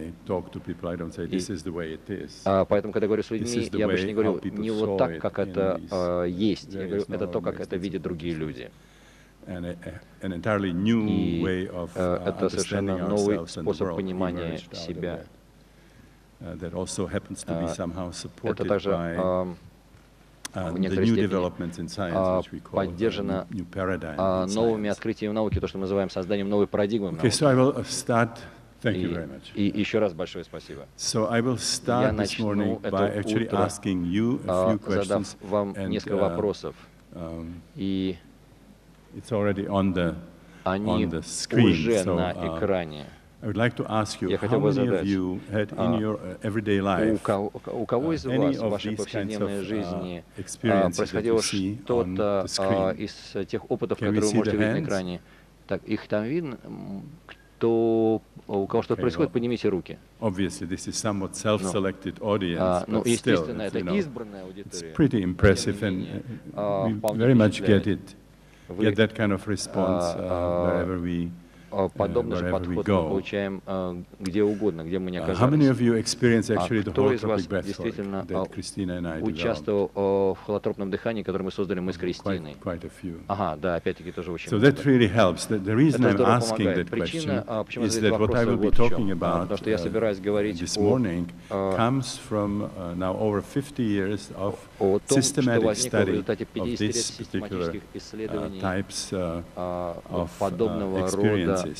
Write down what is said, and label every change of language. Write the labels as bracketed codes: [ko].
[ru] Поэтому, когда говорю с людьми, я обычно не говорю не вот так, как это есть, я говорю, это то, как это видят другие люди. И это совершенно новый способ понимания себя. [en] That also happens to be somehow supported [ru] также, [en] by the new developments in science, which we call the new paradigm. [ru] Новыми открытиями науки, то, что мы называем созданием новой парадигмы. [en] Okay, so I will start. Thank you very much. [ru] И еще раз большое спасибо. [en] So I will start this morning by actually asking you a few questions. [ru] Задав вам несколько вопросов. И [en] it's already on the screen. [ru] Уже на экране. [en] I would like to ask you, how many of you had in your everyday life any of these kinds of experiences that you see on the screen? Can we see the hands? [ru] Так, их там видно? Кто, у кого что-то происходит, поднимите руки. [en] Obviously, this is somewhat self-selected audience, but still, [ru] это избранная аудитория. [en] It's pretty impressive, and we very much get that kind of response wherever we [ru] подобный же подход мы получаем где угодно, где мы не оказались. [en] How many of you experienced actually the holotropic breathwork that Christina and I developed? [ru] Участвовал в холотропном дыхании, которое мы создали мы с Кристиной. [en] Quite a few. [ru] Ага, да, опять-таки тоже очень. [en] So that really helps. The reason I'm asking that question is that what I will be talking about this morning comes from now over 50 years of systematic study of these particular types of experience.